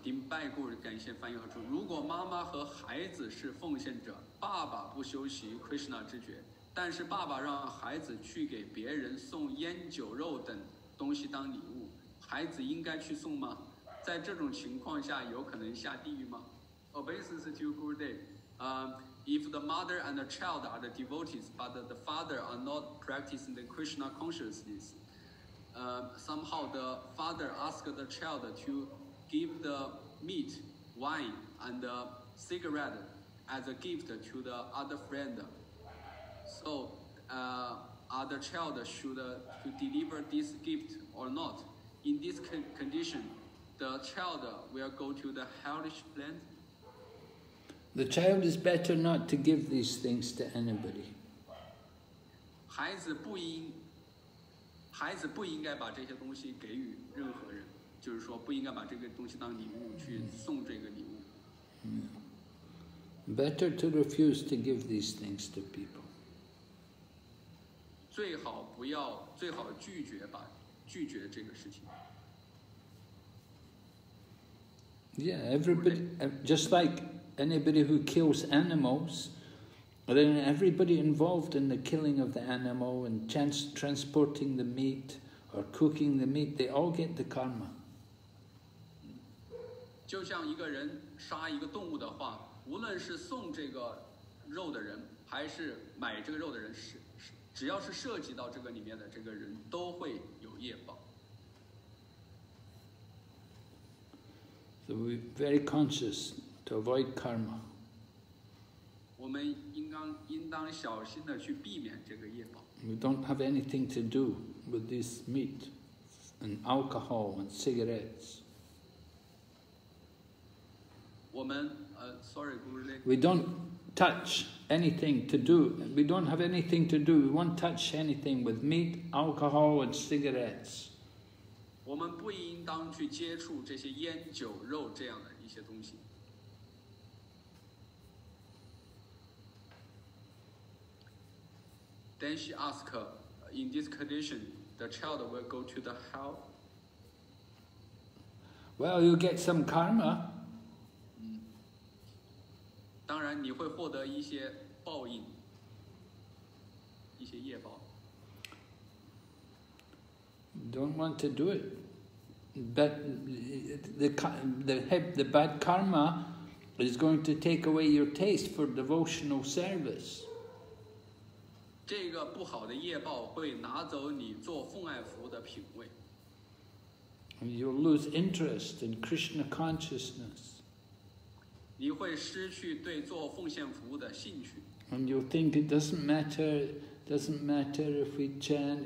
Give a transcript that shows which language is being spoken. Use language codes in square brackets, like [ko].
[zh] 丁拜故人感谢翻译和祝。如果妈妈和孩子是奉献者，爸爸不修习 Krishna 之觉，但是爸爸让孩子去给别人送烟酒肉等东西当礼物，孩子应该去送吗？在这种情况下，有可能下地狱吗？ [en] Obeisance to Gurudev. If the mother and the child are the devotees, but the father are not practicing the Krishna consciousness. Somehow the father asked the child to give the meat, wine, and cigarette as a gift to the other friend. So, other child should to deliver this gift or not? In this condition, the child will go to the hellish plane? The child is better not to give these things to anybody. [zh] 孩子不应孩子不应该把这些东西给予任何人，就是说不应该把这个东西当礼物去送这个礼物。 [en] Better to refuse to give these things to people. [zh] 最好不要，最好拒绝吧，拒绝这个事情。 [en] Yeah, everybody, just like anybody who kills animals. Then everybody involved in the killing of the animal and transporting the meat or cooking the meat, they all get the karma. [zh] 就像一个人杀一个动物的话，无论是送这个肉的人还是买这个肉的人，只要是涉及到这个里面的这个人，都会有业报。 [en] So we're very conscious to avoid karma. [zh] 我们应当小心地去避免这个业报。 [en] We don't have anything to do with this meat and alcohol and cigarettes. [zh] 我们 [en] sorry, we don't touch anything to do. We don't have anything to do. We won't touch anything with meat, alcohol and cigarettes. [zh] 我们不应当去接触这些烟酒肉这样的一些东西。 [en] Then she asked, in this condition, the child will go to the hell? Well, you get some karma. [zh] 当然你会获得一些报应，一些业报。 [en] Don't want to do it, but the bad karma is going to take away your taste for devotional service. [zh] 这个不好的业报会拿走你做奉爱服的品味。 [en] You'll lose interest in Krishna consciousness. [zh] 你会失去对做奉献服务的兴趣。 [en] And you'll think it doesn't matter. Doesn't matter if we chant.